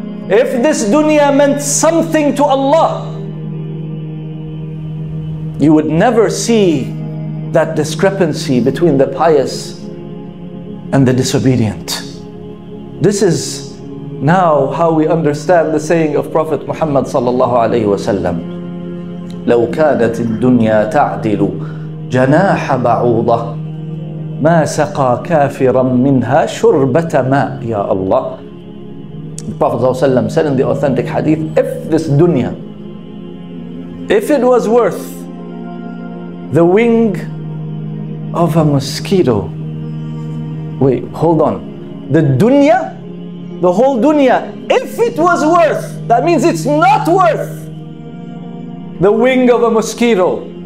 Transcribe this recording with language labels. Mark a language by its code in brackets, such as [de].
[en] If this dunya meant something to Allah, you would never see that discrepancy between the pious and the disobedient. This is now how we understand the saying of Prophet Muhammad sallallahu alayhi wa sallam. [ar] لو كانت الدنيا تعدل جناح بعوضة ما سقى كافرا منها شربة ماء. يا الله. [en] The Prophet sallallahu alayhi wa sallam said in the authentic hadith, if this dunya, if it was worth the wing of a mosquito. Wait, hold on. The dunya, the whole dunya, if it was worth, that means it's not worth the wing of a mosquito.